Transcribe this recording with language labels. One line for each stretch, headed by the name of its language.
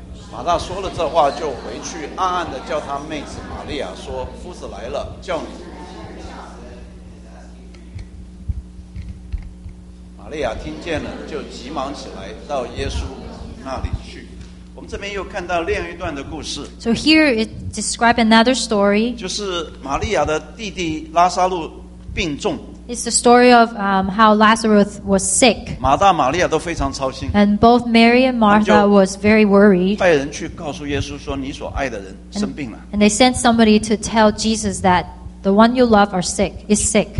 Chinese: 马大说了这话，就回去暗暗地叫他妹子玛利亚说：“夫子来了，叫你。” 玛利亚听见了，就急忙起来到耶稣那里去。我们这边又看到另一段的故事。
English: So here it describes another story.
Chinese: 就是玛利亚的弟弟拉撒路病重。
English: It's the story of how Lazarus was sick.
Chinese: 马大、玛利亚都非常操心。
English: And both Mary and Martha was very worried.
Chinese: 派人去告诉耶稣说：“你所爱的人生病了。”
English: And they sent somebody to tell Jesus that the one you love are sick, is sick.